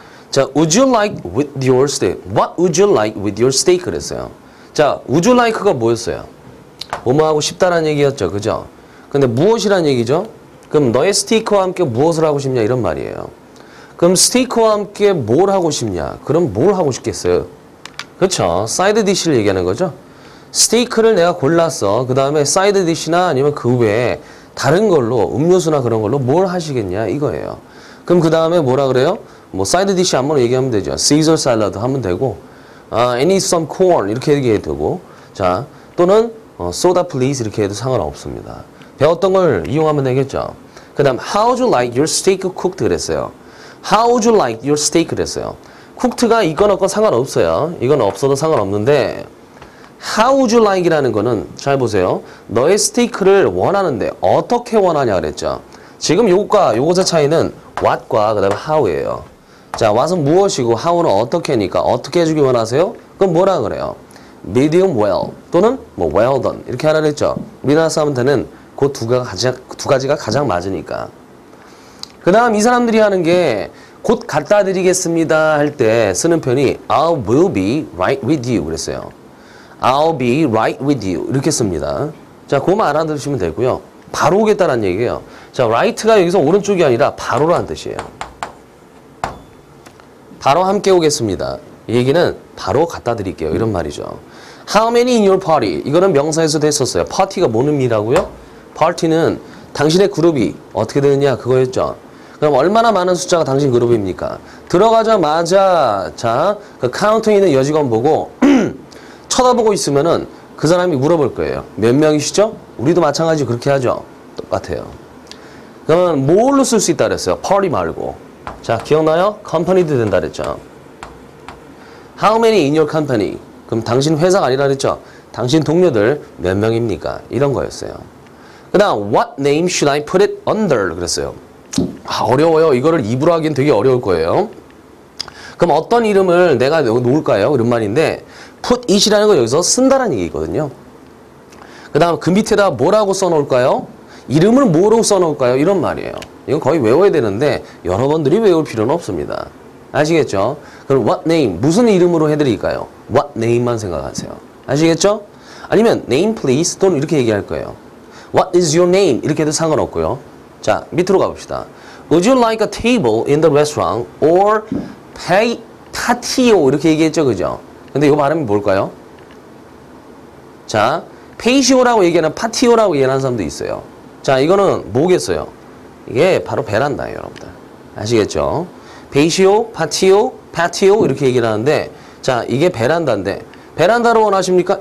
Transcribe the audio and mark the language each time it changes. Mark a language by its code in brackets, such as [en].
[en] 자, would you like with your steak? What would you like with your steak? [ko] 그랬어요. 자, [en] would you like [ko] 가 뭐였어요? 뭐뭐하고 싶다라는 얘기였죠. 그죠? 근데 무엇이란 얘기죠? 그럼 너의 스테이크와 함께 무엇을 하고 싶냐? 이런 말이에요. 그럼 스테이크와 함께 뭘 하고 싶냐? 그럼 뭘 하고 싶겠어요? 그렇죠? 사이드 디쉬를 얘기하는 거죠? 스테이크를 내가 골랐어. 그 다음에 사이드 디쉬나 아니면 그 외에 다른 걸로 음료수나 그런 걸로 뭘 하시겠냐? 이거예요. 그럼 그 다음에 뭐라 그래요? 뭐 사이드 디쉬 한번 얘기하면 되죠. 시저 샐러드 하면 되고, [en] I need some corn [ko] 이렇게 얘기해도 되고, 자 또는 소다 플리즈 이렇게 해도 상관없습니다. 배웠던 걸 이용하면 되겠죠. 그다음 [en] How would you like your steak cooked? [ko] 그랬어요. [en] How would you like your steak? [ko] 그랬어요. Cooked가 있건 없건 상관없어요. 이건 없어도 상관없는데 [en] How would you like [ko] 이라는 거는 잘 보세요. 너의 스테이크를 원하는데 어떻게 원하냐 그랬죠. 지금 요것과 요것의 차이는 what과 그다음 how예요. 자, what은 무엇이고 how는 어떻게니까 어떻게 해주길 원하세요? 그럼 뭐라 그래요? Medium well 또는 뭐 well done 이렇게 하라 그랬죠. 우리나라 사람한테는 그두 가지가 가장 맞으니까. 그 다음 이 사람들이 하는 게곧 갖다 드리겠습니다 할때 쓰는 표현이 [en] I will be right with you [ko] 그랬어요. [en] I'll be right with you [ko] 이렇게 씁니다. 자, 그거만 알아두시면 되고요. 바로 오겠다라는 얘기예요. 자, right가 여기서 오른쪽이 아니라 바로라는 뜻이에요. 바로 함께 오겠습니다. 이 얘기는 바로 갖다 드릴게요. 이런 말이죠. [en] How many in your party? [ko] 이거는 명사에서도 했었어요. 파티가 뭔 의미라고요? 파티는 당신의 그룹이 어떻게 되느냐 그거였죠. 그럼 얼마나 많은 숫자가 당신 그룹입니까? 들어가자마자 자, 그 카운터에 있는 여직원 보고 쳐다보고 있으면은 그 사람이 물어볼 거예요. 몇 명이시죠? 우리도 마찬가지 그렇게 하죠. 똑같아요. 그러면 뭘로 쓸수 있다 그랬어요. 파티 말고. 자, 기억나요? 컴퍼니도 된다 그랬죠. [en] How many in your company? [ko] 그럼 당신 회사가 아니라 그랬죠. 당신 동료들 몇 명입니까? 이런 거였어요. 그다음 [en] What name should I put it under? [ko] 그랬어요. 아, 어려워요. 이거를 입으로 하긴 되게 어려울 거예요. 그럼 어떤 이름을 내가 놓을까요? 이런 말인데 put it이라는 거 여기서 쓴다라는 얘기거든요. 그다음 그 밑에다 뭐라고 써놓을까요? 이름을 뭐로 써놓을까요? 이런 말이에요. 이건 거의 외워야 되는데 여러분들이 외울 필요는 없습니다. 아시겠죠? 그럼 [en] what name? [ko] 무슨 이름으로 해드릴까요? What name만 생각하세요. 아시겠죠? 아니면 [en] name please [ko] 또는 이렇게 얘기할 거예요. [en] What is your name? [ko] 이렇게 해도 상관없고요. 자, 밑으로 가봅시다. [en] Would you like a table in the restaurant or pay patio? [ko] 이렇게 얘기했죠, 그죠? 근데 이 발음이 뭘까요? 자, 페이시오라고 얘기하는 파티오라고 얘기하는 사람도 있어요. 자, 이거는 뭐겠어요? 이게 바로 베란다예요, 여러분들. 아시겠죠? 페이시오, 파티오, 파티오 이렇게 얘기를 하는데, 자, 이게 베란다인데, 베란다로 원하십니까?